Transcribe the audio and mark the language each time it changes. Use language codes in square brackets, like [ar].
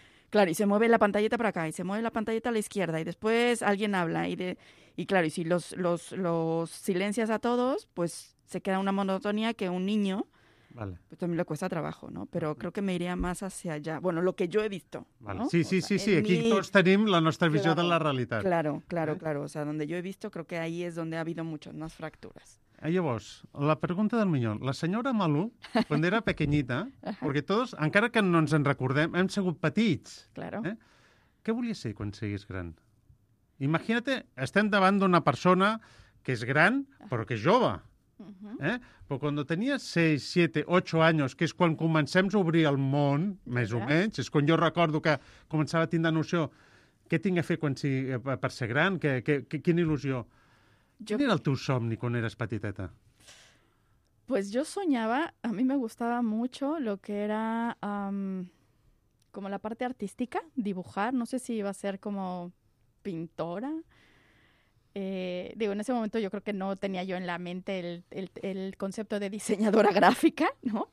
[es] Claro, y se mueve la pantallita para acá, y se mueve la pantallita a la izquierda, y después alguien habla, y claro, y si los silencias a todos, pues se queda una monotonía que un niño, vale. Pues también le cuesta trabajo, ¿no? Pero creo que me iría más hacia allá, bueno, lo que yo he visto, vale. ¿No? Sí, sí, o sea, sí, aquí todos tenemos la nuestra visión de la realidad. Claro, claro, ¿eh? Claro, o sea, donde yo he visto, creo que ahí es donde ha habido muchas más fracturas. [ca] Llavors, la pregunta del millón. La senyora Malú, quan era pequeñita, perquè tots, encara que no ens en recordem, hem sigut petits. [es] Claro. [ca] Què volies ser quan siguis gran? Imagínate, estem davant d'una persona que és gran, però que és jove. Uh-huh. Però quan tenies 6, 7, 8 anys, que és quan comencem a obrir el món, més o menys, és quan jo recordo que començava a tindre noció què tinc a fer quan sigui, per ser gran, quina il·lusió. [es] ¿Quién era el tu somni cuando eras petiteta? Pues yo soñaba, a mí me gustaba mucho lo que era como la parte artística, dibujar. No sé si iba a ser como pintora. Digo, en ese momento yo creo que no tenía yo en la mente el concepto de diseñadora gráfica, ¿no?